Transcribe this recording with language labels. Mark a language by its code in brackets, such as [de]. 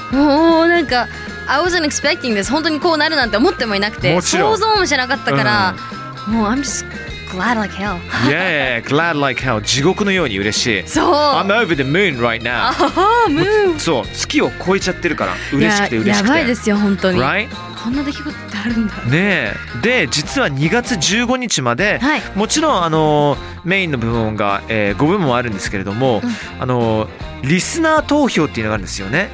[ja] もうなんか、 [en] I wasn't expecting this. [ja] 本当にこうなるなんて思ってもいなくて、もちろん想像もしなかったから、うん、もう [en] I'm just glad like hell. Yeah, yeah, glad like hell. [ja] 地獄のように嬉しい。そう。 [en] I'm over the moon right now. [ja] あー、ムーン。そう、月を超えちゃってるから、嬉しくて嬉しくて。やばいですよ、本当に。 [en] Right? [ja] こんな出来事ってあるんだ。ねえ、で実は2月15日まで、はい、もちろんメインの部門が、5部門あるんですけれども、うん、リスナー投票っていうのがあるんですよね、